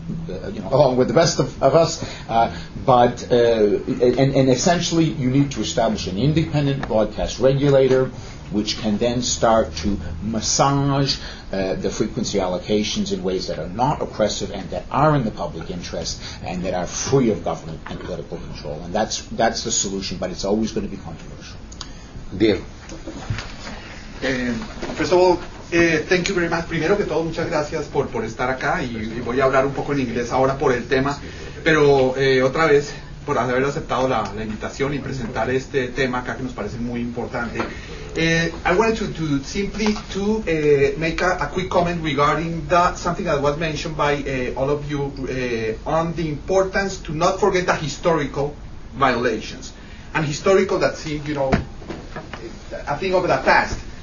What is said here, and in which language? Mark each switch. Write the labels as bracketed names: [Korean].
[English] You know, along with the best of us, but and essentially you need to establish an independent broadcast regulator, which can then start to massage the frequency allocations in ways that are not oppressive and that are in the public interest and that are free of government and political control. And that's the solution, but it's always going to be controversial. Deal. First of all, thank you very much. [Spanish] Primero que todo, muchas gracias por estar acá y voy a hablar un poco en inglés ahora por el tema, pero otra vez por haber aceptado la invitación y presentar este tema acá que nos parece muy importante. [English] I wanted to simply to make a quick comment regarding that something that was mentioned by all of you on the importance to not forget the historical violations. And historical, that seems, you know, a thing of the past.